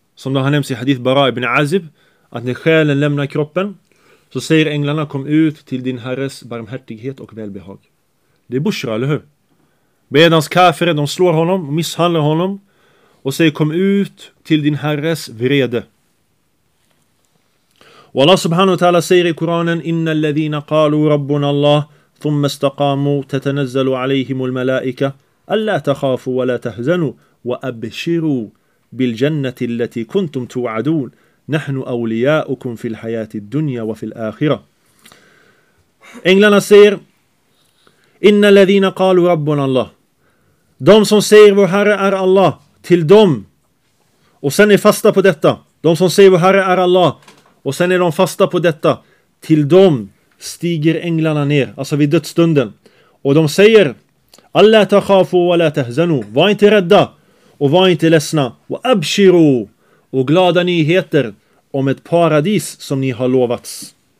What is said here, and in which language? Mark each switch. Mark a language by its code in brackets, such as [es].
[sv] Som det har nämnts i hadith Bara ibn Azib, att när själen lämnar kroppen så säger änglarna, kom ut till din herres barmhärtighet och välbehag. Det är bushra, eller hur? Medans kafire, de slår honom och misshandlar honom och säger, kom ut till din herres vrede. Och Allah subhanahu wa ta'ala säger i Koranen, [ar] inna alladhina qalu rabbuna Allah ثم استقاموا تتنزل عليهم الملائكة ألا تخافوا ولا تهزنوا وأبشروا بالجنة التي كنتم توعدون نحن أولياؤكم في الحياة الدنيا وفي الآخرة. [sv] Englarna säger, [ar] إن الذين قالوا ربنا الله, [sv] de som säger vår Herre är Allah, till dem, och sen är fasta på detta, de som säger vår Herre är Allah och sen är de fasta på detta, till dem stiger änglarna ner, alltså vid dödsstunden, och de säger, [ar] alla takhafu wa la tahzanu, [sv] var inte rädda och var inte ledsna, och abshiru, och glada nyheter om ett paradis som ni har lovats.